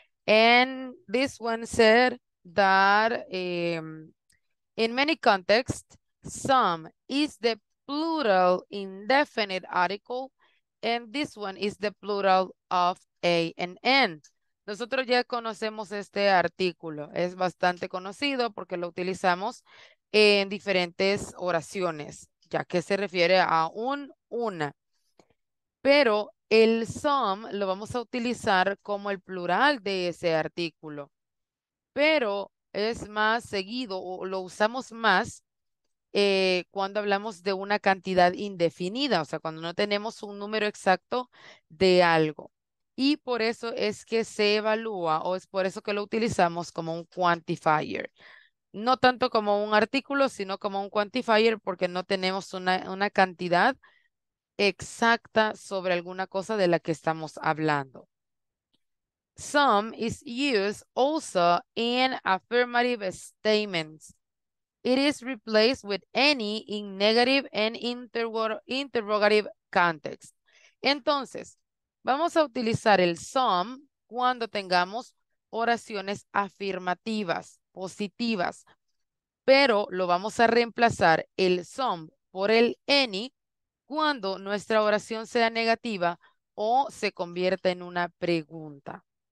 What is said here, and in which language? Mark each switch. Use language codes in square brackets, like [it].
[en] And this one said that in many contexts, some is the plural indefinite article, and this one is the plural of a and n. [es] Nosotros ya conocemos este artículo. Es bastante conocido porque lo utilizamos en diferentes oraciones, ya que se refiere a un una. Pero el some lo vamos a utilizar como el plural de ese artículo. Pero es más seguido o lo usamos más cuando hablamos de una cantidad indefinida, o sea, cuando no tenemos un número exacto de algo. Y por eso es que se evalúa o es por eso que lo utilizamos como un quantifier. No tanto como un artículo, sino como un quantifier porque no tenemos una cantidad exacta sobre alguna cosa de la que estamos hablando. [en] Some is used also in affirmative statements. It is replaced with any in negative and interrogative context. [es] Entonces, vamos a utilizar el some cuando tengamos oraciones afirmativas, positivas, pero lo vamos a reemplazar el some por el any cuando nuestra oración sea negativa o se convierta en una pregunta.